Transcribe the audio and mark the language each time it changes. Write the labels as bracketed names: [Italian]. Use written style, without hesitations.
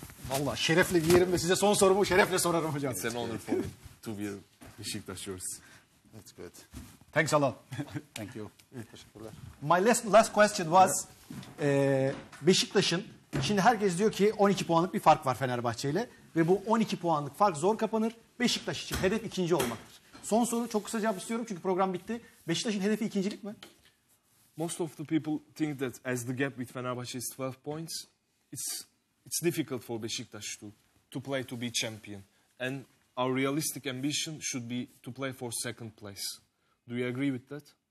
[Turkish] Valla şerefle giyerim ve size son sorumu şerefle sorarım hocam. [English] It's an honor for me to wear Beşiktaş jersey. That's good. Thanks a lot. Thank you. [Turkish] Teşekkürler. [English] My last question was, [Turkish] Beşiktaş'ın, şimdi herkes diyor ki 12 puanlık bir fark var Fenerbahçe ile. Ve bu 12 puanlık fark zor kapanır. Beşiktaş için hedef ikinci olmaktır. Son soru çok kısa cevap istiyorum çünkü program bitti. Beşiktaş'ın hedefi ikincilik mi? [English] Most of the people think that as the gap with Fenerbahçe is 12 points, it's difficult for Beşiktaş to play to be champion. And our realistic ambition should be to play for second place. Do you agree with that?